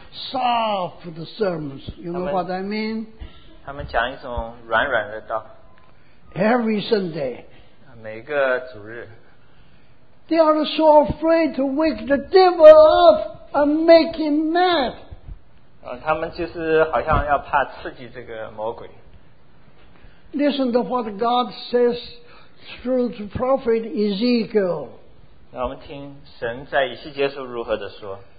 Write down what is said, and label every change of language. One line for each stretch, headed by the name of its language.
English: Soft sermons. You know what I mean?
Chinese: 他们讲一种软软的道。
English: Every Sunday.
Chinese: 每个主日,
English: they are so afraid to wake the devil up and make him mad.
Chinese: 他们就是好像要怕刺激这个魔鬼。
English: Listen to what God says through the prophet Ezekiel.
Chinese: 让我们听神在以西结书如何地说。